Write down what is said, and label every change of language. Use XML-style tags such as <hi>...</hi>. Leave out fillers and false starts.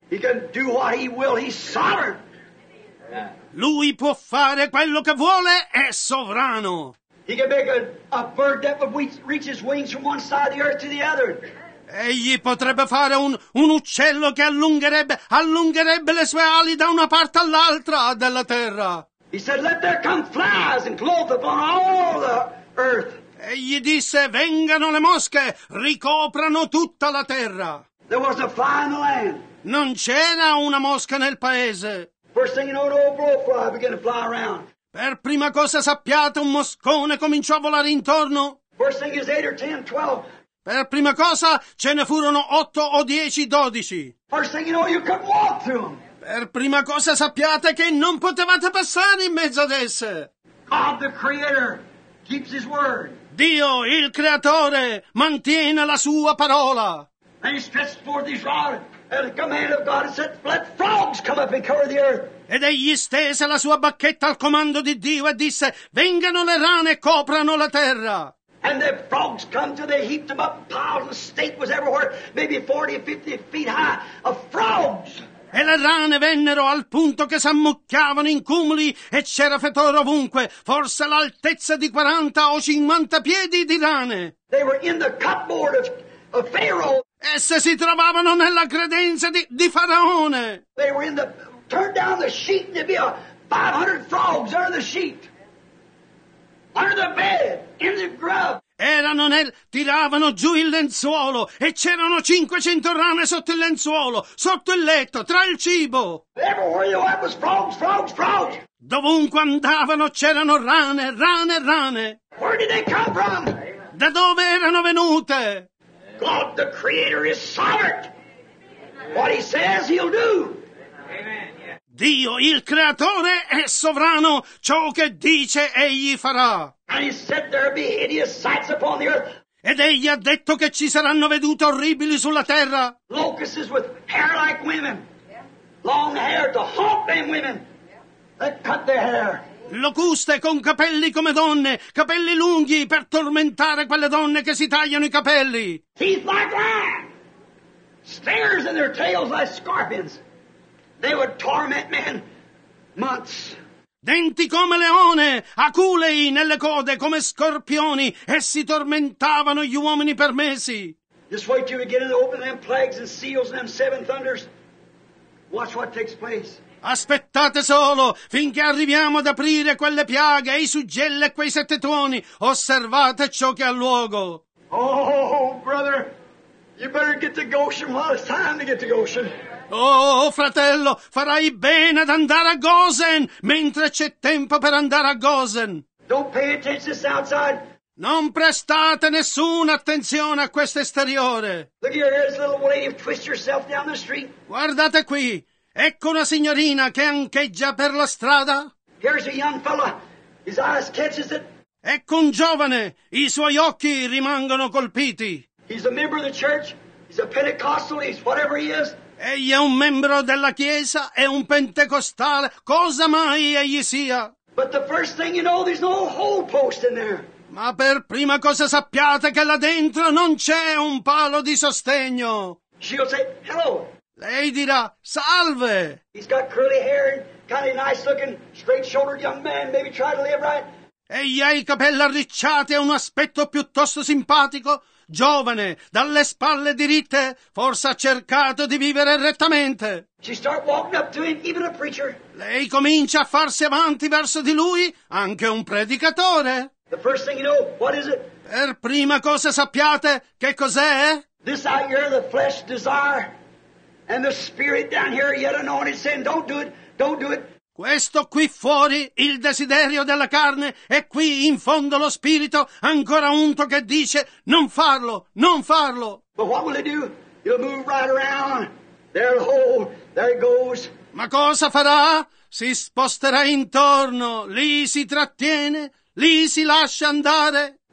<en>He can do what he will, he's sovereign.</en> <it>Lui può fare quello che vuole, è sovrano.</it> <en>He can make a bird that reaches wings from one side of the earth to the other.</en> <it>Egli potrebbe fare un uccello che allungherebbe le sue ali da una parte all'altra della terra.</it> <en>He said, let there come flies and cloth upon all the earth.</en> <it>Egli disse, vengano le mosche, ricoprano tutta la terra.</it> <en>There was a fly in the land.</en> <it>Non c'era una mosca nel paese.</it> <en>First thing you know, an old blowfly began to fly around.</en> <it>Per prima cosa sappiate, un moscone cominciò a volare intorno.</it> <en>First thing is 8 or 10, 12.</en> <it>Per prima cosa ce ne furono 8 o 10, 12.</it> <en>First thing you know, you couldn't walk through them.</en> <it>Per prima cosa sappiate che non potevate passare in mezzo ad esse.</it> <en>God the Creator keeps his word.</en> <it>Dio, il Creatore, mantiene la sua parola.</it> <en>And he stretched forth his rod at the command of God and said, let frogs come up and cover the earth.</en> <it>Ed egli stese la sua bacchetta al comando di Dio e disse, vengano le rane e coprano la terra.</it> <en>And the frogs come to, they heaped them up, piles of steak was everywhere, maybe 40 or 50 feet high of frogs.</en> <it>E le rane vennero al punto che s'ammucchiavano in cumuli e c'era fetore ovunque, forse l'altezza di 40 o 50 piedi di rane.</it> <en>They were in the cupboard of Pharaoh.</en> <it>Esse si trovavano nella credenza di Faraone.</it> <en>They were in the, turn down the sheet and there'd be 500 frogs under the sheet. Under the bed, in the grub.</en> <it>Erano nel, tiravano giù il lenzuolo e c'erano 500 rane sotto il lenzuolo, sotto il letto, tra il cibo.</it> <en>Everywhere you went was frogs, frogs, frogs.</en> <it>Dovunque andavano c'erano rane, rane, rane.</it> <en>Where did they come from?</en> <it>Da dove erano venute?</it> <en>God the Creator is sovereign. What he says he'll do.</en> <it>Dio, il Creatore, è sovrano. Ciò che dice, egli farà.</it> <en>And he said there'll be hideous sights upon the earth.</en> <it>Ed egli ha detto che ci saranno vedute orribili sulla terra.</it> <en>Locusts with hair like women. Long hair to haunt them women. That cut their hair.</en> <it>Locuste con capelli come donne, capelli lunghi per tormentare quelle donne che si tagliano i capelli.</it> <en>Teeth like lions. Stingers in their tails like scorpions. They would torment men months.</en> <it>Denti come leone, aculei nelle code come scorpioni, essi tormentavano gli uomini per mesi.</it> <en>Just wait till we get into opening them plagues and seals and them seven thunders. Watch what takes place.</en> <it>Aspettate solo finché arriviamo ad aprire quelle piaghe, i suggelli e quei sette tuoni. Osservate ciò che ha luogo.</it> <en>Oh, brother, you better get to Goshen while it's time to get to Goshen.</en> <it>Oh, fratello, farai bene ad andare a Goshen mentre c'è tempo per andare a Goshen.</it> <en>Don't pay attention to outside.</en> <it>Non prestate nessuna attenzione a questo esteriore.</it> <en>Look here, there's a little lady twist herself down the street.</en> <it>Guardate qui. Ecco una signorina che ancheggia per la strada.</it> <en>Here's a young fella. His eyes catches it.</en> <it>Ecco un giovane. I suoi occhi rimangono colpiti.</it> <en>He's a member of the church. He's a Pentecostal. He's whatever he is.</en> <it>Egli è un membro della chiesa, è un pentecostale, cosa mai egli sia.</it> <en>But the first thing you know, there's no hole post in there.</en> <it>Ma per prima cosa sappiate che là dentro non c'è un palo di sostegno.</it> <en>She'll say, hello.</en> <it>Lei dirà, salve.</it> <en>He's got curly hair and kind of nice looking, straight-shouldered young man, maybe try to live right.</en> <it>Egli ha i capelli arricciati e un aspetto piuttosto simpatico. Giovane, dalle spalle diritte, forse ha cercato di vivere rettamente.</it> <en>She start walking up to him, even a preacher.</en> <it>Lei comincia a farsi avanti verso di lui, anche un predicatore.</it> <en>The first thing you know, what is it?</en> <it>Per prima cosa sappiate che cos'è?</it> <en>This out here, the flesh desire, and the spirit down here yet anointed saying, don't do it, don't do it.</en> <it>Questo qui fuori, il desiderio della carne, e qui in fondo lo spirito, ancora unto che dice, non farlo, non farlo.</it> <en>But what will he do? He'll move right around. There it holds, there it goes.</en> <it>Ma cosa farà? Si sposterà intorno, lì si trattiene, lì si lascia andare.</it>